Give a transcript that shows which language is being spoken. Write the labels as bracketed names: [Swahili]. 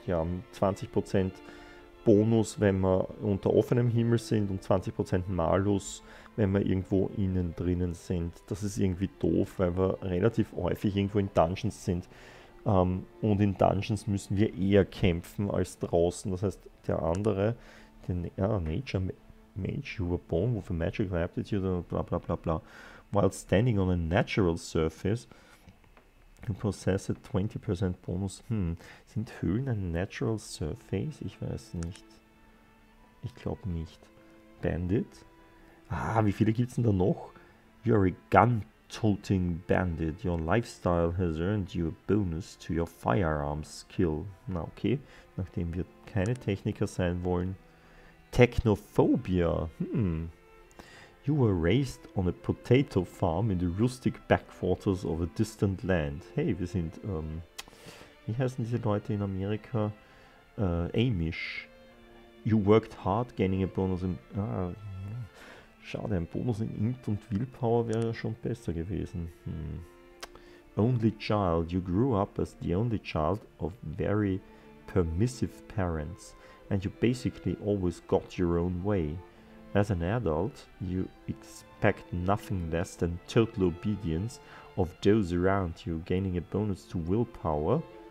[German] Ja, 20% Bonus, wenn wir unter offenem Himmel sind und 20% Malus, wenn wir irgendwo innen drinnen sind. Das ist irgendwie doof, weil wir relativ häufig irgendwo in Dungeons sind. Und in Dungeons müssen wir eher kämpfen als draußen. Das heißt, der andere, [English] Nature Mage, you were born with a magical aptitude, bla bla bla bla. While standing on a natural surface, you possess a 20% bonus. [German] Sind Höhlen eine [English] natural surface? [German] Ich weiß nicht. Ich glaube nicht. Bandit? Wie viele gibt's denn da noch? [English] You're a gun. Toting Bandit, your lifestyle has earned you a bonus to your firearms skill. [German] Na okay, nachdem wir keine Techniker sein wollen. [English] Technophobia, You were raised on a potato farm in the rustic backwaters of a distant land. [German] Hey, wir sind, wie heißen diese Leute in Amerika? [English] Amish. You worked hard, gaining a bonus in... [German] Schade, ein Bonus in Int und Willpower wäre ja schon besser gewesen. [English] Only child, you grew up as the only child of very permissive parents and you basically always got your own way. As an adult, you expect nothing less than total obedience of those around you, gaining a bonus to willpower.